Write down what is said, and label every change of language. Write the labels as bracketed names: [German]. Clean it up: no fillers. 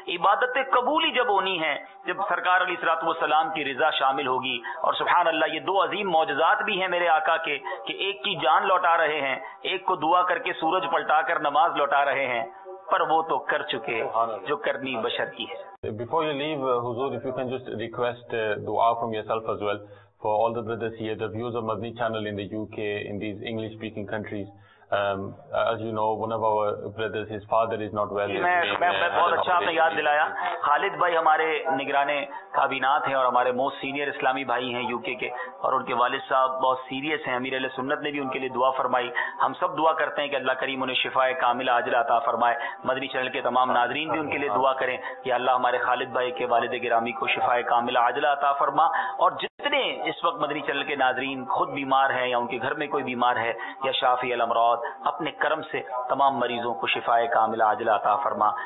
[Urdu] عبادتیں قبول ہی جب ہونی ہیں جب سرکار علیہ الصلوۃ والسلام کی رضا شامل ہوگی. اور سبحان اللہ, یہ دو عظیم معجزات بھی ہیں میرے آقا کے کہ ایک کی جان لوٹا رہے ہیں, ایک کو دعا کر کے سورج پلٹا کر نماز لوٹا رہے ہیں. پر وہ تو کر چکے جو کرنی بشر کی ہے. [English] Before you leave, Huzoor, if you can just request dua from yourself as well for all the brothers here, the viewers of Madni Channel in the UK, in these English speaking countries. As you know, one of our brothers, his father is not well. [Urdu] میں بہت اچھا آپ نے یاد دلایا, خالد بھائی ہمارے نگرانے کابینات ہیں اور ہمارے موسٹ سینئر اسلامی بھائی ہیں یو کے, اور ان کے والد صاحب بہت سیریس ہیں. امیر اہل سنت نے بھی ان کے لیے دعا فرمائی. ہم سب دعا کرتے ہیں کہ اللہ کریم انہیں شفا کاملہ عاجل عطا فرمائے. مدنی چینل کے تمام ناظرین بھی ان کے لیے دعا کریں کہ اللہ ہمارے خالد بھائی کے والد گرامی کو شفا کاملہ عاجل عطا فرما, اور جتنے اس وقت مدنی چینل کے ناظرین خود بیمار ہیں یا ان کے گھر میں کوئی بیمار ہے یا شافی الامراض, اپنے کرم سے تمام مریضوں کو شفا کاملہ عاجل عطا فرما.